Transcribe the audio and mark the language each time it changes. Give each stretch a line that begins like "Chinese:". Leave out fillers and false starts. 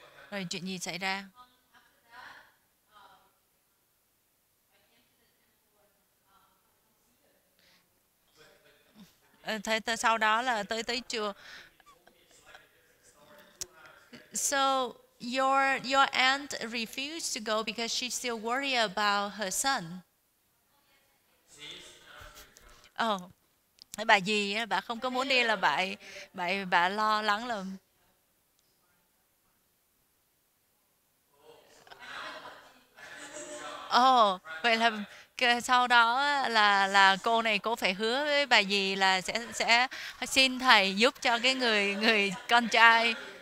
Vietnamese: Rồi chuyện gì xảy ra? Thế sau đó là tới tới chùa.
English: So your aunt refused to go because she still worry about her son.
Vietnamese: Bà gì á, bà không có muốn đi là bà lo lắng lắm. Vậy là sau đó là cô này cô phải hứa với bà dì là sẽ xin thầy giúp cho cái người người con trai.